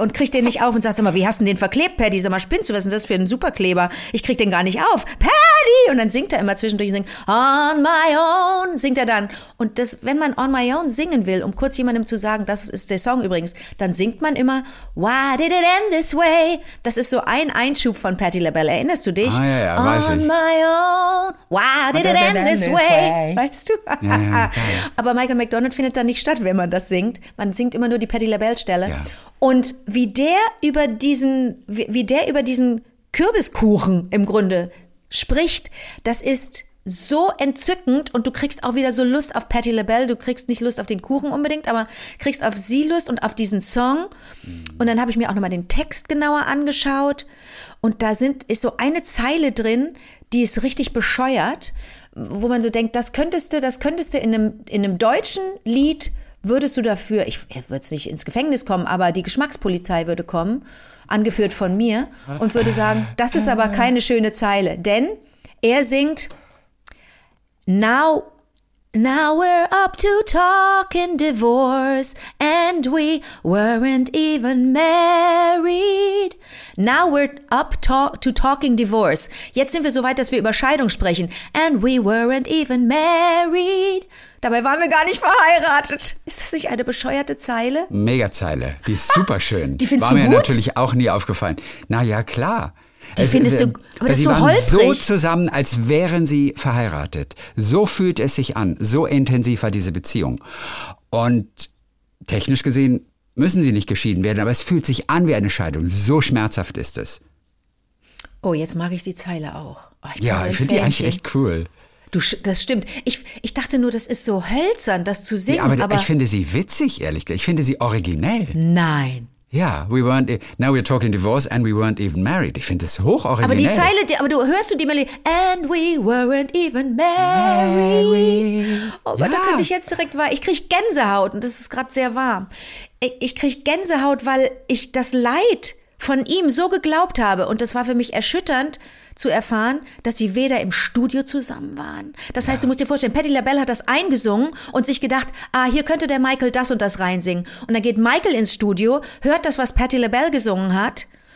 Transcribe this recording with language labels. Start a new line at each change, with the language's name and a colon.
German: Und kriegt den nicht auf und sagt, sag mal, wie hast du den verklebt, Patty? Sag mal, spinnst du, was ist das für ein Superkleber? Ich krieg den gar nicht auf. Patty! Und dann singt er immer zwischendurch und singt,
English: on my own,
German: singt er dann. Und das, wenn man
English: on my own
German: singen will, um kurz jemandem zu sagen, das ist der Song übrigens, dann singt man immer,
English: why did it end this way?
German: Das ist so ein Einschub von Patti LaBelle. Erinnerst du dich? Ah, ja, weiß ich.
English: On my own, why did it end this way?
German: Weißt du? Aber Michael McDonald findet da nicht statt, wenn man das singt. Man singt immer nur die Patti LaBelle-Stelle. Ja. Und wie der über diesen Kürbiskuchen im Grunde spricht, das ist so entzückend und du kriegst auch wieder so Lust auf Patti LaBelle. Du kriegst nicht Lust auf den Kuchen unbedingt, aber kriegst auf sie Lust und auf diesen Song. Und dann habe ich mir auch nochmal den Text genauer angeschaut und da ist so eine Zeile drin, die ist richtig bescheuert, wo man so denkt, das könntest du in einem deutschen Lied, würdest du dafür, ich würde es nicht ins Gefängnis kommen, aber die Geschmackspolizei würde kommen, angeführt von mir, und würde sagen, das ist aber keine schöne Zeile, denn er singt,
English: Now we're up to talking divorce and we weren't even married. Now we're up to talking divorce.
German: Jetzt sind wir so weit, dass wir über Scheidung sprechen.
English: And we weren't even married.
German: Dabei waren wir gar nicht verheiratet. Ist das nicht eine bescheuerte Zeile? Megazeile. Die ist super schön. Die findest du gut? War mir natürlich auch nie aufgefallen. Na ja, klar. Aber das ist so holprig. Sie waren so zusammen, als wären sie verheiratet. So fühlt es sich an. So intensiv war diese Beziehung. Und technisch gesehen müssen sie nicht geschieden werden, aber es fühlt sich an wie eine Scheidung. So schmerzhaft ist es. Oh, jetzt mag ich die Zeile auch. Oh, ja, ich finde die eigentlich echt cool. Das stimmt. Ich dachte nur, das ist so hölzern, das zu singen. Ja, aber ich finde sie witzig, ehrlich gesagt. Ich finde sie originell. Nein.
English: Ja, we weren't, now we're talking divorce and we weren't even married.
German: Ich finde das hoch originell. Aber die Zeile, hörst du die Melodie?
English: And we weren't even married.
German: Oh Gott, da könnte ich jetzt direkt, ich kriege Gänsehaut und das ist gerade sehr warm. Ich kriege Gänsehaut, weil ich das Leid von ihm so geglaubt habe. Und das war für mich erschütternd zu erfahren, dass sie weder im Studio zusammen waren. Das heißt, du musst dir vorstellen, Patti LaBelle hat das eingesungen und sich gedacht, ah, hier könnte der Michael das und das reinsingen. Und dann geht Michael ins Studio, hört das, was Patti LaBelle gesungen hat,